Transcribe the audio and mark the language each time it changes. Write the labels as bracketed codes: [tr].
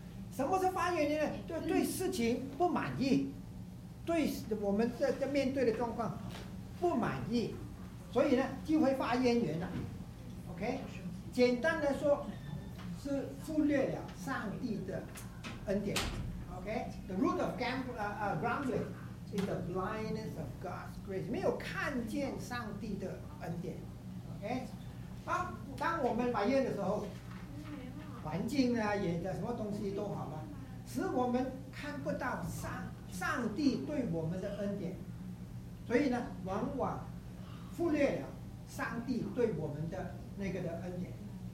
[zh] 什么是发怨言呢？就对事情不满意，对我们在面对的状况不满意，所以呢就会发怨言了。 OK， 简单来说是忽略了上帝的恩典。 [en] OK， the root of grumbling is the blindness of God's grace， [zh] 没有看见上帝的恩典。 OK， 当我们埋怨的时候，环境啊，也的什么东西都好了，使我们看不到上帝对我们的恩典，所以呢，往往忽略了上帝对我们的那个的恩典。